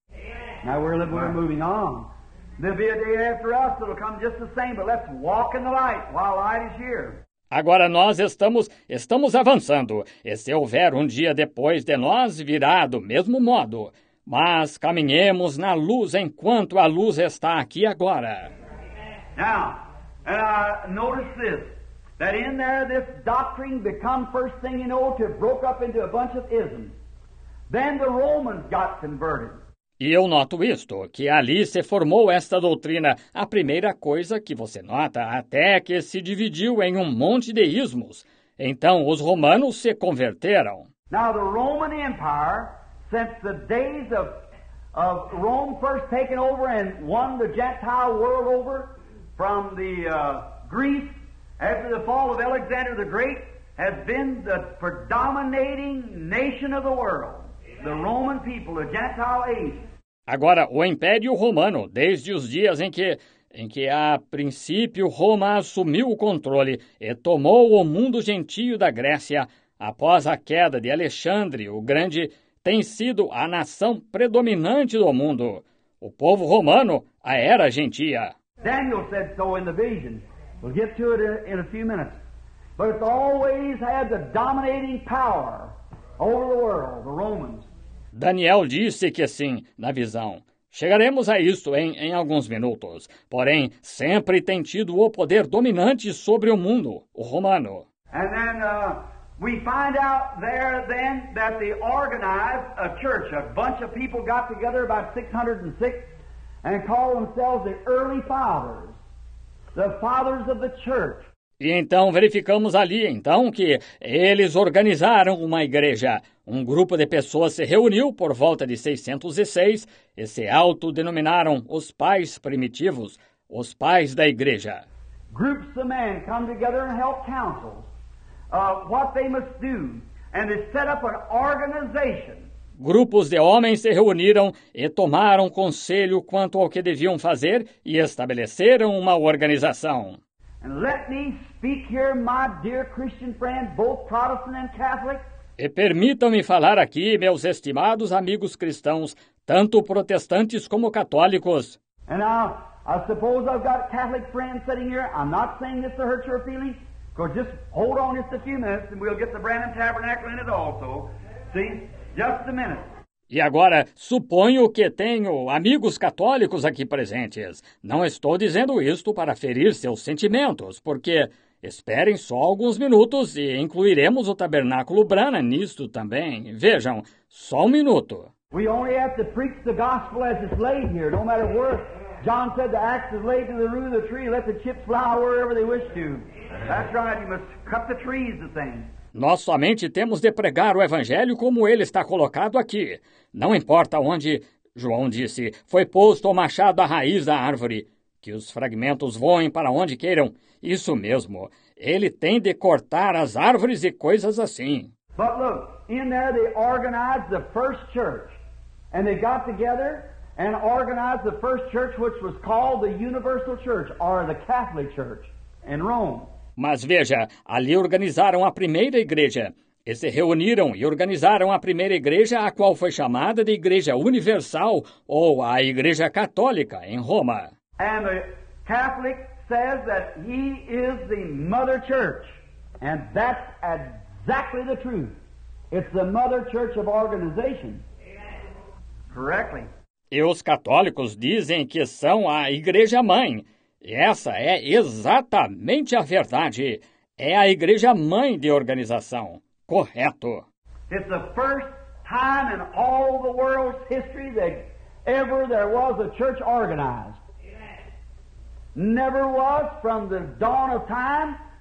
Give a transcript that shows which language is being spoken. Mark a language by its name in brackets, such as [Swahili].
[English] Amen. Now we're moving on. There'll be a day after us that'll come just the same, but let's walk in the light while light is here. [Portuguese] Agora nós estamos avançando, e se houver um dia depois de nós, virá do mesmo modo. Mas caminhemos na luz enquanto a luz está aqui agora. [English] Now, notice this, that in there this doctrine become first thing you know to broke up into a bunch of isms. Then the Romans got converted. [Portuguese] E eu noto isto, que ali se formou esta doutrina, a primeira coisa que você nota, até que se dividiu em um monte de ismos. Então, os romanos se converteram. [English] Now, the Roman Empire, since the days of Rome first taken over and won the Gentile world over from the Greece, after the fall of Alexander the Great, has been the predominating nation of the world. The Roman people, the Gentile age. [Portuguese] Agora, o Império Romano, desde os dias em que a princípio Roma assumiu o controle e tomou o mundo gentio da Grécia, após a queda de Alexandre o Grande, tem sido a nação predominante do mundo. O povo romano, a era gentia. [English] Daniel said so in the vision. We'll get to it in a few minutes. But it's always had the dominating power over the world, the Romans. [Portuguese] Daniel disse que sim, na visão. Chegaremos a isto em alguns minutos. Porém, sempre tem tido o poder dominante sobre o mundo, o romano. [English] And then we find out there then that they organized a church. A bunch of people got together about 606 and called themselves the early fathers. The fathers of the church. [Portuguese] E então verificamos ali, então, que eles organizaram uma igreja. Um grupo de pessoas se reuniu por volta de 606 e se autodenominaram os pais primitivos, os pais da igreja. [English] Groups of men come together and help counsel what they must do, and they set up an organization. [Portuguese] Grupos de homens se reuniram e tomaram conselho quanto ao que deviam fazer e estabeleceram uma organização. [English] And let me speak here, my dear Christian friend, both Protestant and Catholic. [Portuguese] E permitam-me falar aqui, meus estimados amigos cristãos, tanto protestantes como católicos. [English] And I suppose I've got a Catholic friend sitting here. I'm not saying this to hurt your feelings, because just hold on just a few minutes and we'll get the Branham Tabernacle in it also. See? Just a minute. [Portuguese] E agora, suponho que tenho amigos católicos aqui presentes. Não estou dizendo isto para ferir seus sentimentos, porque esperem só alguns minutos e incluiremos o Tabernáculo Branham nisto também. Vejam, só um minuto. [English] We only have to preach the gospel as it's laid here, no matter where. John said the axe is laid to the root of the tree, let the chips fly wherever they wish to. That's right, you must cut the trees, the thing. [Portuguese] Nós somente temos de pregar o Evangelho como ele está colocado aqui. Não importa onde, João disse, foi posto o machado à raiz da árvore. Que os fragmentos voem para onde queiram. Isso mesmo. Ele tem de cortar as árvores e coisas assim. [English] But look, in there they organized the first church. And they got together and organized the first church, which was called the Universal Church, or the Catholic Church, in Rome. [Portuguese] Mas veja, ali organizaram a primeira igreja. E se reuniram e organizaram a primeira igreja, a qual foi chamada de Igreja Universal, ou a Igreja Católica, em Roma. [English] And the Catholic says that he is the mother church. And that's exactly the truth. It's the mother church of organization. Correctly. [Portuguese] E os católicos dizem que são a Igreja Mãe. Essa é exatamente a verdade. É a igreja mãe de organização. Correto. [English] It's the first time in all the world's history that ever there was a church organized. Never was from the dawn of time.